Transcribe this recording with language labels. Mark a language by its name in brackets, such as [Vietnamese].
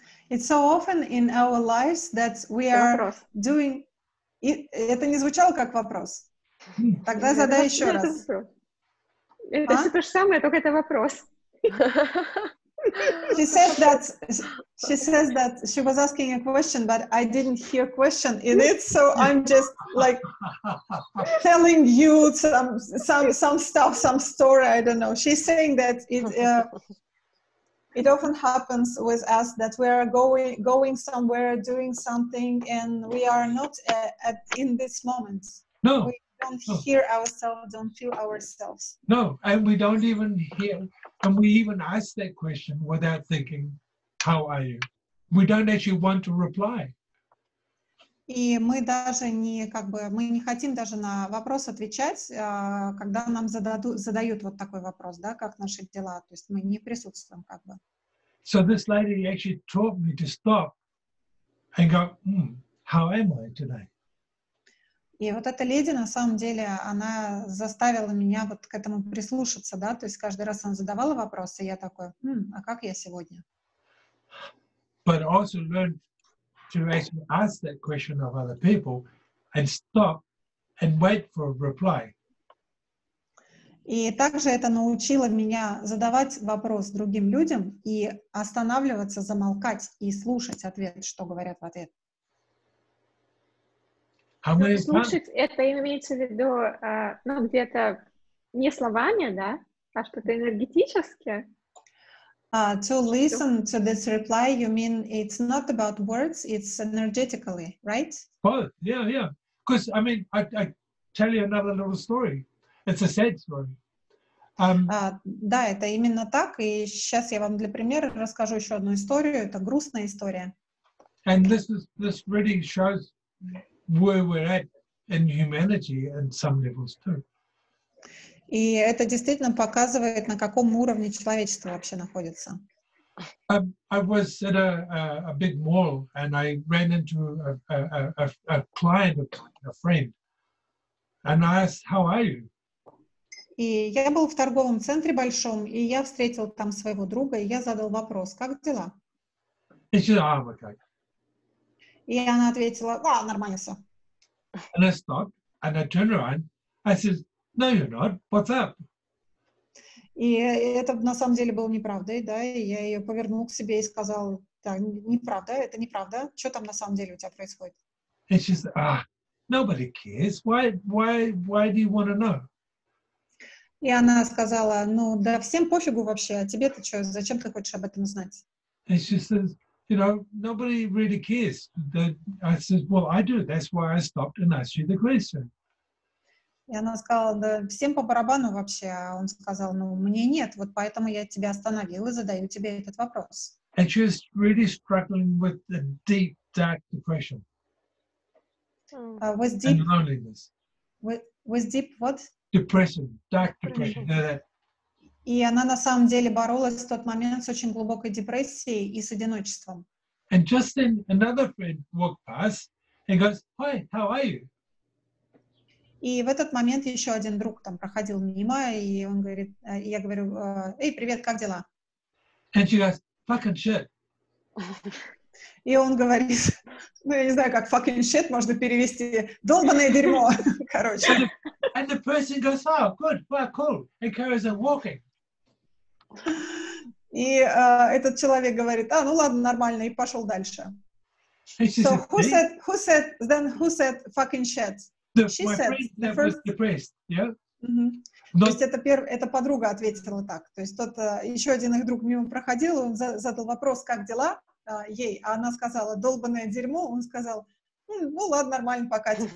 [English] It's so often in our lives that we are doing... [Russian] Это не звучало как вопрос? Тогда задай еще раз. Это все то же самое, только это вопрос. [English] She says that she was asking a question, but I didn't hear a question in it, so I'm just like telling you some stuff, some story, I don't know. She's saying that it often happens with us that we are going somewhere, doing something, and we are not in this moment. No. We don't hear ourselves, don't feel ourselves. No, and we don't even hear... And we even ask that question without thinking, how are you? We don't actually want to reply. [Russian] И мы даже не, как бы, мы не хотим даже на вопрос отвечать, когда нам задают вот такой вопрос, да, как наши дела, то есть мы не присутствуем, как бы. [English] So this lady actually taught me to stop and go, how am I today? [Russian] И вот эта леди, на самом деле, она заставила меня вот к этому прислушаться, да, то есть каждый раз она задавала вопросы, и я такой, а как я сегодня? [English] But also learn to ask that question of other people and stop and wait for a reply. [Russian] И также это научило меня задавать вопрос другим людям и останавливаться, замолкать и слушать ответ, что говорят в ответ. Слушать это имеется в виду, ну, где-то не словами, да, а что-то энергетически. [English] To listen to this reply, you mean it's not about words, it's energetically, right? Both, yeah. Because, I mean, I tell you another little story. It's a sad story. [Russian] Да, это именно так. И сейчас я вам для примера расскажу еще одну историю. Это грустная история. [English] And this really shows... where we're at in humanity and some levels too. [Russian] И это действительно показывает, на каком уровне человечество вообще находится. [English] I was at a big mall and I ran into a client, a friend, and I asked, how are you? [Russian] И я был в торговом центре большом, и я встретил там своего друга, и я задал вопрос, как дела? [English] And she said, oh, okay. [Russian] И она ответила, а, нормально все. [English] And I stopped, and I turned around. I said, "No, you're not. What's up?" [Russian] И это на самом деле было неправдой, да? Я ее повернул к себе и сказал: "Да, неправда. Это неправда. Что там на самом деле у тебя происходит?" [English] And she said, "Ah, nobody cares. Why do you want to know?" [Russian] И она сказала: "Ну, да, всем пофигу вообще. А тебе-то что? Зачем ты хочешь об этом знать?" [English] And she says. You know, nobody really cares. I said, well, I do. That's why I stopped and asked you the question. [Russian] И она сказала, да всем по барабану вообще. А он сказал, ну, мне нет. Вот поэтому я тебя остановил и задаю тебе этот вопрос. [English] And she was really struggling with the deep, dark depression. With deep... And loneliness. With deep what? Depression. Dark depression. You know that? [Russian] И она на самом деле боролась в тот момент с очень глубокой депрессией и с одиночеством. [English] And just then another friend walked past and goes, "Hi, how are you?" [Russian] И в этот момент еще один друг там проходил мимо, и он говорит, я говорю, "Эй, привет, как дела?" [English] And she goes, "Fucking shit." [Russian] И он говорит, ну я не знаю, как [English] fucking shit [Russian] можно перевести, долбанное дерьмо, короче. [English] And the person goes, "Oh, good, well, cool," and carries on walking. [Russian] И этот человек говорит, "А, ну ладно, нормально," и пошел дальше. [English] So who said fucking shit? She said, first. [Russian] То есть это подруга ответила так. То есть тот еще один их друг мимо проходил, он задал вопрос, как дела ей, а она сказала, долбанное дерьмо, он сказал, ну ладно, нормально, пока.